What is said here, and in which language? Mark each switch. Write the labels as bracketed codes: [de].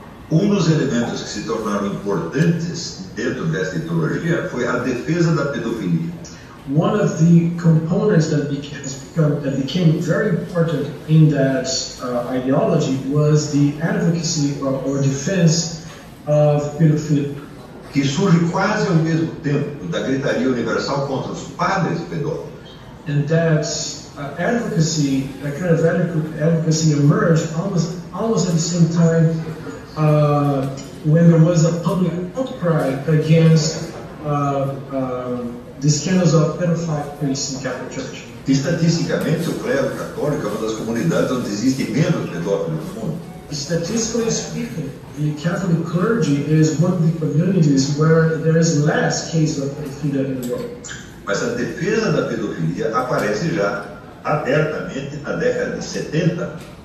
[pt] Um dos elementos que se tornaram importantes dentro desta ideologia foi a defesa da pedofilia. [en] One of the components that became very important in that ideology was the advocacy or defense of pedophilia. [pt] Que surge quase ao mesmo tempo da gritaria universal contra os padres pedófilos. [en] And that advocacy, that kind of advocacy emerged almost at the same time when there was a public outcry against the scandals of pedophile priests in Catholic Church. [pt] Estatisticamente, o clero católico é uma das comunidades onde existem menos pedófilos no mundo. [en] Statistically speaking, the Catholic clergy is one of the communities where there is less cases of pedophilia in the world. [pt] Mas a defesa da pedofilia aparece já abertamente na década de 70.